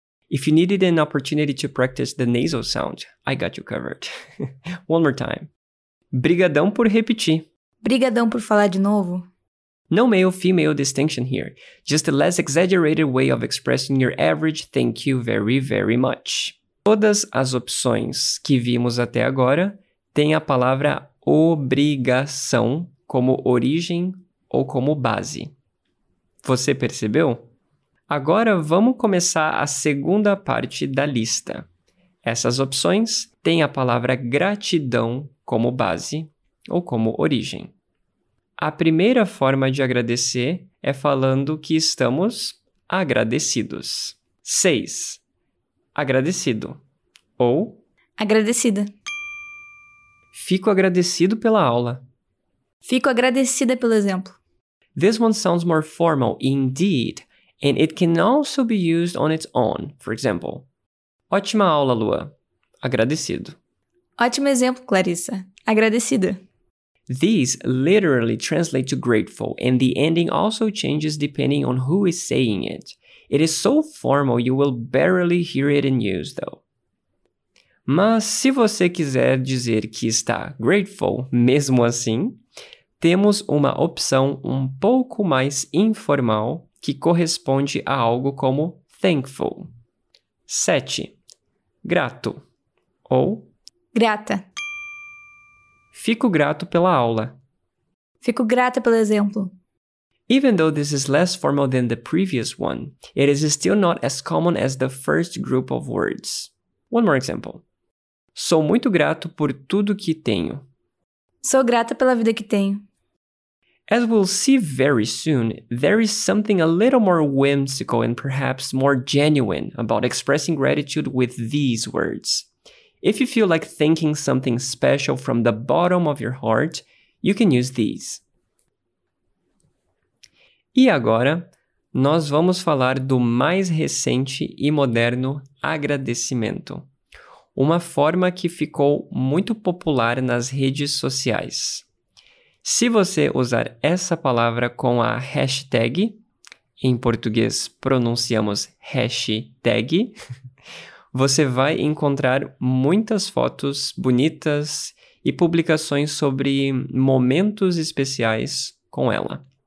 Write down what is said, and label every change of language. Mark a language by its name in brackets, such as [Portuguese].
[English] If you needed an opportunity to practice the nasal sound, I got you covered. One more time. [Portuguese] Brigadão por repetir. Brigadão por falar de novo. [English] No male-female distinction here. Just a less exaggerated way of expressing your average thank you very, very much. [Portuguese] Todas as opções que vimos até agora têm a palavra obrigação como origem ou como base. Você percebeu? Agora vamos começar a segunda parte da lista. Essas opções têm a palavra gratidão como base ou como origem. A primeira forma de agradecer é falando que estamos agradecidos. 6. Agradecido. Ou... Agradecida. Fico agradecido pela aula. Fico agradecida pelo exemplo. [English] This one sounds more formal, indeed, and it can also be used on its own, for example. [Portuguese] Ótima aula, Lua. Agradecido. Ótimo exemplo, Clarissa. Agradecida. [English] These literally translate to grateful, and the ending also changes depending on who is saying it. It is so formal, you will barely hear it in use, though. [Portuguese] Mas se você quiser dizer que está grateful, mesmo assim, temos uma opção um pouco mais informal que corresponde a algo como thankful. 7. Grato. Ou... Grata. Fico grato pela aula. Fico grata pelo exemplo. [English] Even though this is less formal than the previous one, it is still not as common as the first group of words. One more example. [Portuguese] Sou muito grato por tudo que tenho. Sou grata pela vida que tenho. [English] As we'll see very soon, there is something a little more whimsical and perhaps more genuine about expressing gratitude with these words. If you feel like thanking something special from the bottom of your heart, you can use these. [Portuguese] E agora, nós vamos falar do mais recente e moderno agradecimento, uma forma que ficou muito popular nas redes sociais. Se você usar essa palavra com a hashtag, em português pronunciamos hashtag, você vai encontrar muitas fotos bonitas e publicações sobre momentos especiais com ela.